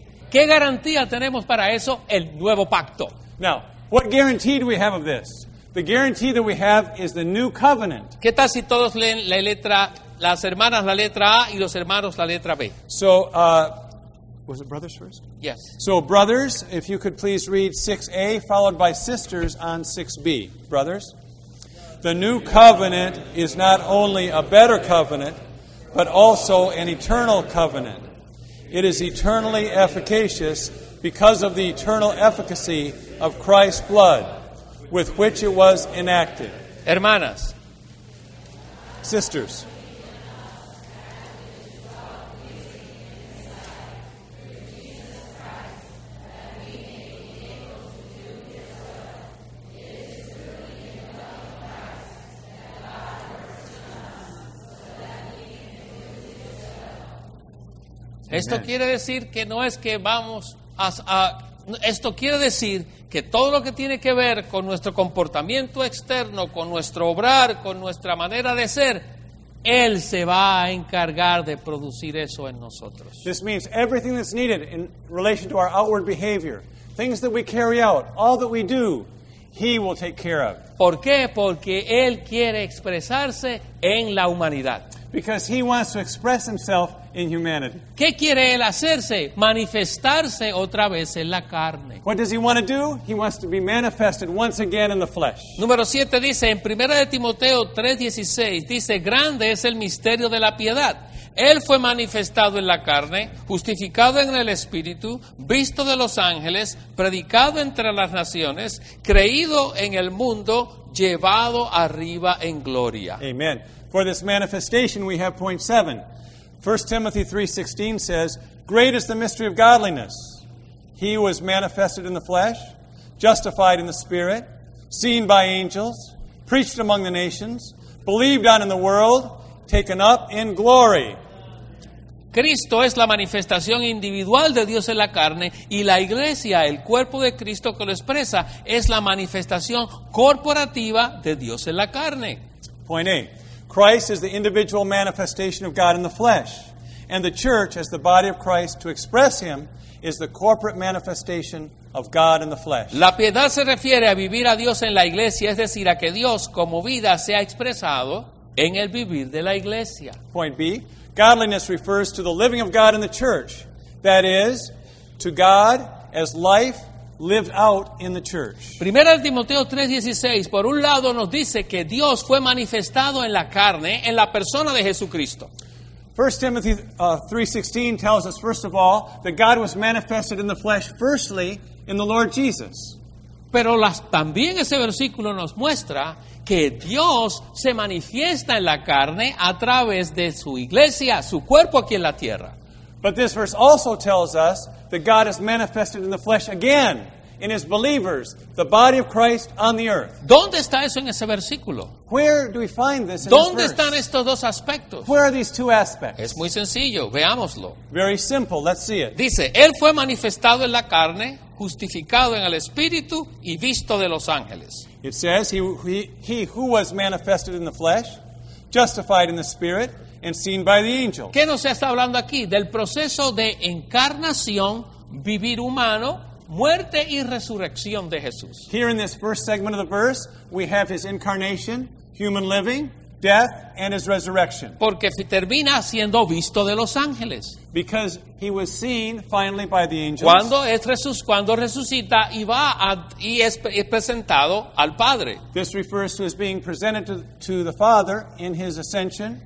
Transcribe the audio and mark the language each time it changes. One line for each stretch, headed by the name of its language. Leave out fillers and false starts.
Spanish: ¿Qué garantía tenemos para eso? El nuevo pacto.
English: Now, what guarantee do we have of this? The guarantee that we have is the new covenant.
Spanish: ¿Qué tal si todos leen la letra, las hermanas la letra A y los hermanos la letra B?
English: So, was it brothers first? Yes. So, brothers, if you could please read 6A followed by sisters on 6B. Brothers, the new covenant is not only a better covenant, but also an eternal covenant. It is eternally efficacious because of the eternal efficacy of Christ's blood with which it was enacted.
Spanish: Hermanas.
English: Sisters.
Spanish: Esto quiere decir que no es que vamos a esto quiere decir que todo lo que tiene que ver con nuestro comportamiento externo, con nuestro obrar, con nuestra manera de ser, Él se va a encargar de producir eso en nosotros.
English: This means everything that's needed in relation to our outward behavior, things that we carry out, all that we do, He will take care of.
Spanish: ¿Por qué? Porque Él quiere expresarse en la humanidad.
English: Because He wants to express Himself in humanity.
Spanish: ¿Qué quiere Él hacerse? Manifestarse otra vez en la carne.
English: What does He want to do? He wants to be manifested once again in the flesh.
Spanish: Número 7 dice, en 1 de Timoteo 3:16, dice, grande es el misterio de la piedad. Él fue manifestado en la carne, justificado en el Espíritu, visto de los ángeles, predicado entre las naciones, creído en el mundo, llevado arriba en gloria.
English: Amen. For this manifestation, we have point 7. 1 Timothy 3:16 says, great is the mystery of godliness. He was manifested in the flesh, justified in the spirit, seen by angels, preached among the nations, believed on in the world, taken up in glory.
Spanish: Cristo es la manifestación individual de Dios en la carne y la iglesia, el cuerpo de Cristo que lo expresa, es la manifestación corporativa de Dios en la carne.
English: Point A. Christ is the individual manifestation of God in the flesh, and the church, as the body of Christ, to express Him, is the corporate manifestation of God in the flesh.
Spanish: La piedad se refiere a vivir a Dios en la iglesia, es decir, a que Dios como vida sea expresado en el vivir de la iglesia.
English: Point B. Godliness refers to the living of God in the church, that is, to God as life lived out in the church.
Spanish: 1 Timoteo 3:16, por un lado nos dice que Dios fue manifestado en la carne, en la persona de Jesucristo.
English: 1 Timothy 3:16 tells us, first of all, that God was manifested in the flesh, firstly, in the Lord Jesus.
Spanish: Pero también ese versículo nos muestra que Dios se manifiesta en la carne a través de su iglesia, su cuerpo aquí en la tierra.
English: But this verse also tells us that God is manifested in the flesh again in His believers, the body of Christ on the earth.
Spanish: ¿Dónde está eso en ese versículo?
English: Where do we find this in
Spanish: ¿Dónde
English: this verse?
Spanish: Están estos dos aspectos?
English: Where are these two aspects?
Spanish: Es muy sencillo, veámoslo.
English: Very simple, let's see it.
Spanish: Dice, Él fue manifestado en la carne, justificado en el Espíritu y visto de los ángeles.
English: It says, he who was manifested in the flesh, justified in the Spirit, and seen by the angels.
Spanish: ¿Qué nos está hablando aquí? Del proceso de encarnación, vivir humano, muerte y resurrección de Jesús.
English: Here in this first segment of the verse, we have His incarnation, human living, death, and His resurrection.
Spanish: Porque termina siendo visto de los ángeles.
English: Because He was seen finally by the angels.
Spanish: Cuando resucita y va a, y es presentado al Padre.
English: This refers to His being presented to the Father in His ascension.